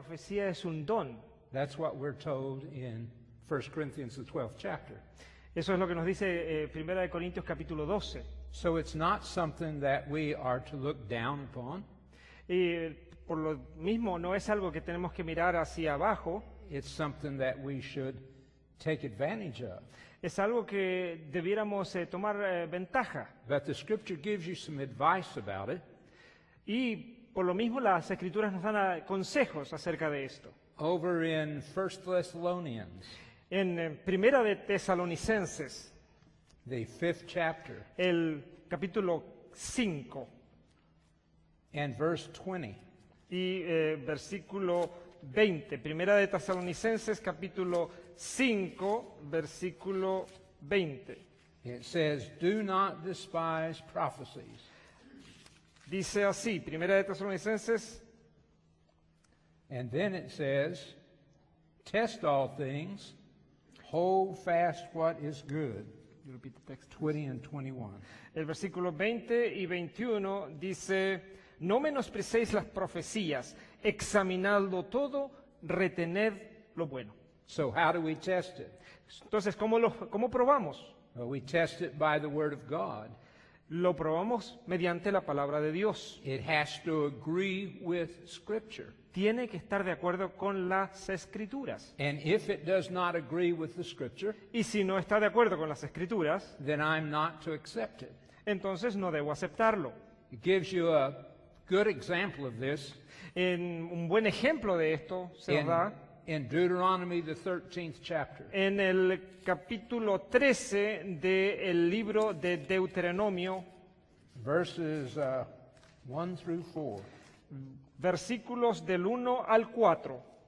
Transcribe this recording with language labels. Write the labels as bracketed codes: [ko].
[en] That's what we're told in 1 Corinthians, the 12th chapter. [es] Eso es lo que nos dice Primera de Corintios, capítulo 12. [en] So it's not something that we are to look down upon. [es] Y por lo mismo, no es algo que tenemos que mirar hacia abajo. [en] It's something that we should take advantage of. [es] Es algo que debiéramos tomar ventaja. [en] But the scripture gives you some advice about it. [es] Y por lo mismo, las escrituras nos dan consejos acerca de esto. [en] Over in 1 Thessalonians. [es] En Primera de Tesalonicenses. [en] The fifth chapter. [es] El capítulo 5. [en] And verse 20. [es] Y versículo 20. Primera de Tesalonicenses, capítulo 5, versículo 20. [en] It says, do not despise prophecies. [es] Dice así, Primera de Tesalonicenses. [en] And then it says, test all things, hold fast what is good. 20 and 21. [es] El versículo 20 y 21 dice, no menosprecéis las profecías, examinadlo todo, retened lo bueno. [en] So how do we test it? [es] Entonces, ¿cómo probamos? [en] Well, we test it by the word of God. [es] Lo probamos mediante la palabra de Dios. [en] It has to agree with scripture. [es] Tiene que estar de acuerdo con las escrituras. [en] And if it does not agree with the scripture, [es] y si no está de acuerdo con las escrituras, [en] then I'm not to accept it. [es] Entonces no debo aceptarlo. [en] It gives you a good example of this. [es] En un buen ejemplo de esto se da [en] in Deuteronomy, the 13th chapter. [es] En el capítulo 13 del libro de Deuteronomio, [en] verses 1 through 4. [es] versículos del 1 al 4.